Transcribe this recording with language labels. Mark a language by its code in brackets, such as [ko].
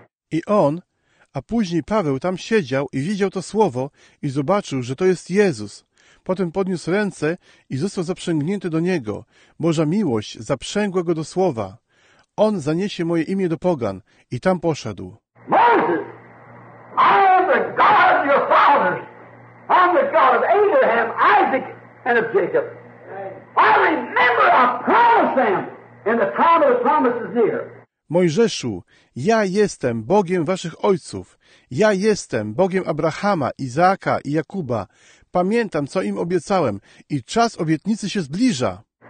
[pl] I on, a później Paweł tam siedział i widział to słowo i zobaczył, że to jest Jezus. Potem podniósł ręce i został zaprzęgnięty do Niego. Boża miłość zaprzęgła Go do słowa. On zaniesie moje imię do pogan i tam poszedł. [en] Moses, I am the God of your fathers. I'm the God of Abraham, Isaac, and of Jacob. I remember I promised them and the time of the promise is near. [pl] Mojżeszu, ja jestem Bogiem waszych ojców. Ja jestem Bogiem Abrahama, Izaaka i Jakuba. Pamiętam, co im obiecałem i czas obietnicy się zbliża.